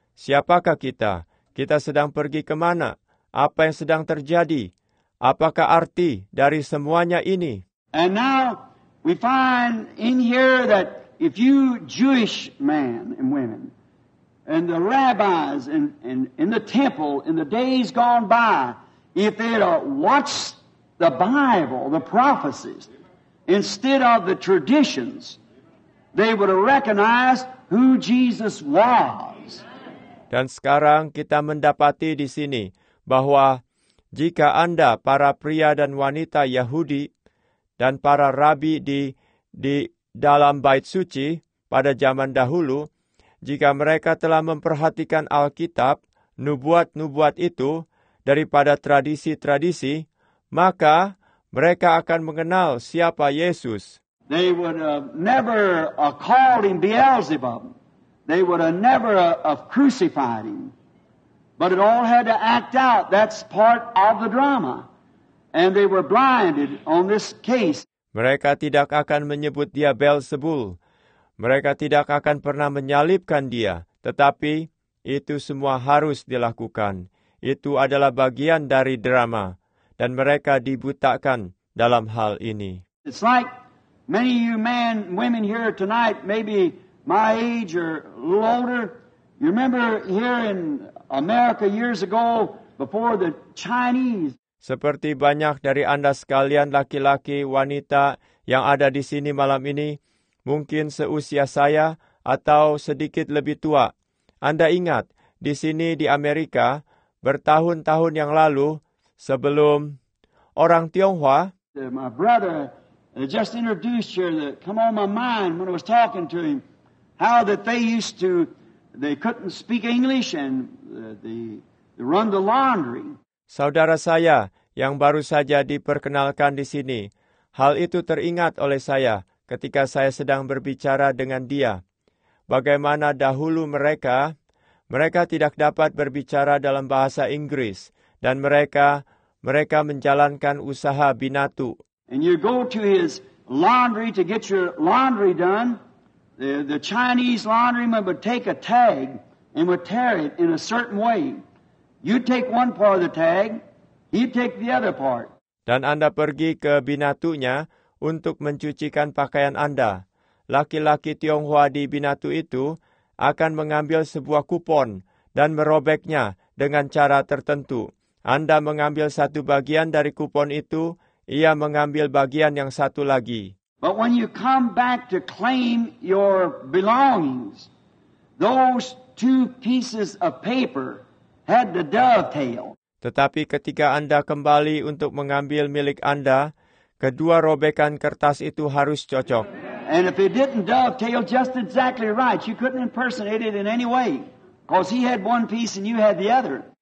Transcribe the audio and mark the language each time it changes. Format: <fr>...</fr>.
<id>Siapakah kita? Kita sedang pergi ke mana? Apa yang sedang terjadi? Apakah arti dari semuanya ini?</id> <en>And now we find in here that if you Jewish men and women and the rabbis and in the temple in the days gone by, if they'd watch the Bible, the prophecies, instead of the traditions, they would recognize who Jesus was.</en> <id>Dan sekarang kita mendapati di sini bahwa jika Anda, para pria dan wanita Yahudi, dan para rabi di dalam bait suci pada zaman dahulu, jika mereka telah memperhatikan Alkitab, nubuat-nubuat itu, daripada tradisi-tradisi, maka mereka akan mengenal siapa Yesus.</id> <en>They would have never called him Beelzebub. They would have never have crucified him. But it all had to act out. That's part of the drama. And they were blinded on this case.</en> <id>Mereka tidak akan menyebut dia Beelzebul. Mereka tidak akan pernah menyalibkan dia. Tetapi itu semua harus dilakukan. Itu adalah bagian dari drama. Dan mereka dibutakan dalam hal ini.</id> <en>It's like many of you men, women here tonight, maybe my age or older. You remember here in America years ago before the Chinese.</en> <id>Seperti banyak dari Anda sekalian laki-laki, wanita yang ada di sini malam ini, mungkin seusia saya atau sedikit lebih tua. Anda ingat, di sini di Amerika, bertahun-tahun yang lalu, sebelum orang Tionghoa.</id> <en>My brother just introduced here that come on my mind when I was talking to him, how that they used to, they couldn't speak English and they run the laundry.</en> <id>Saudara saya yang baru saja diperkenalkan di sini, hal itu teringat oleh saya ketika saya sedang berbicara dengan dia. Bagaimana dahulu mereka tidak dapat berbicara dalam bahasa Inggris, dan mereka menjalankan usaha binatu.</id> <en>And you go to his laundry to get your laundry done. The Chinese laundryman would take a tag and would tear it in a certain way. You'd take one part of the tag, he'd take the other part.</en> <id>Dan Anda pergi ke binatunya untuk mencucikan pakaian Anda. Laki-laki Tionghoa di binatu itu akan mengambil sebuah kupon dan merobeknya dengan cara tertentu. Anda mengambil satu bagian dari kupon itu, ia mengambil bagian yang satu lagi.</id> <en>But when you come back to claim your belongings, those two pieces of paper had the dovetail.</en> <id>Tetapi ketika Anda kembali untuk mengambil milik Anda, kedua robekan kertas itu harus cocok.</id> <en>And if it didn't dovetail just exactly right, you couldn't impersonate it in any way, because he had one piece and you had the other.</en>